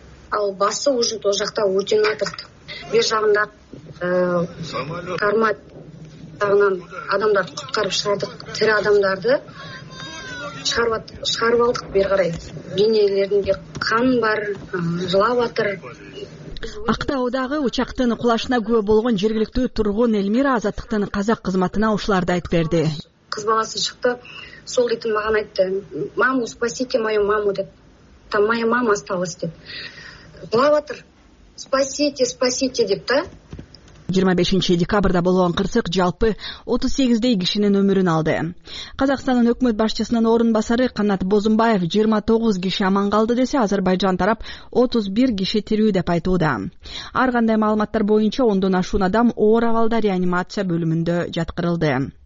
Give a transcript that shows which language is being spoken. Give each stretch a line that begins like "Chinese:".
Kyrgyz: Ал басы уже то жакта өтүнүп атырды. Бир жагында кармат жагынан адамдарды куткарып чыгардык, тирүү адамдарды чыгарып алдык. Бери карай денелеринде кан бар, жылап атыр. Актаудагы учактын кулашына күбө болгон жергиликтүү тургун Элмира Азаттыктын казак кызматына ушуларды айтып берди. Кыз баласы чыкты, сол дейтин маган айтты:
Russian: маму, спасите мою маму,
Kyrgyz: деп
Russian: там моя мама осталась,
Kyrgyz: деп жылап атыр.
Russian: Спасите, спасите,
Kyrgyz: деп да. 25 декабрда болгон кырсык жалпы 38 кишинин өмүрүн алды. Казакстандын өкмөт башчысынын орун басары Канат Бозумбаев 29 киши аман калды десе, Азербайжан тарап 31 киши тирүү деп айтууда. Ар кандай маалыматтар боюнча 10 ашуун адам оор абалда реанимация бөлүмүндө жаткырылды.